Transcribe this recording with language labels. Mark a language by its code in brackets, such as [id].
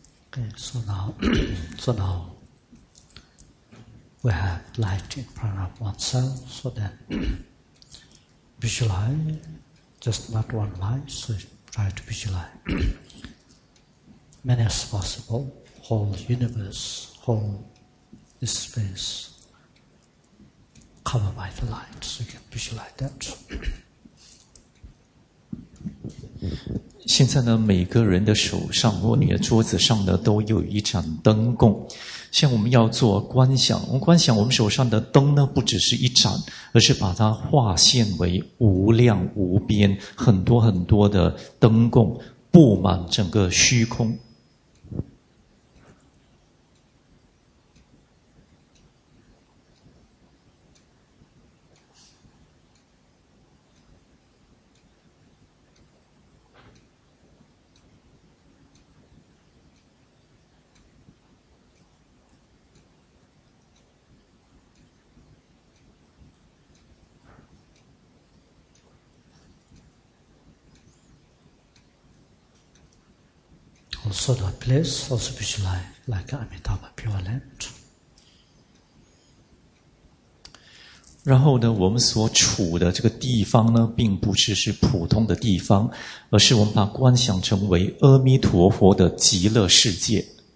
[en] Okay, so now, we have light in front of oneself, so then visualize, just not one light, so try to visualize many as possible, whole universe, whole space covered by the light, so you can visualize that. [zh] 现在呢，每个人的手上或你的桌子上呢，都有一盏灯供。像我们要做观想，我们观想我们手上的灯呢，不只是一盏，而是把它化现为无量无边，很多很多的灯供，布满整个虚空。 [en] Also the place, also visualize like Amitabha Pure Land. [zh] 然后呢，我们所处的这个地方呢，并不只是普通的地方，而是我们把观想成为阿弥陀佛的极乐世界。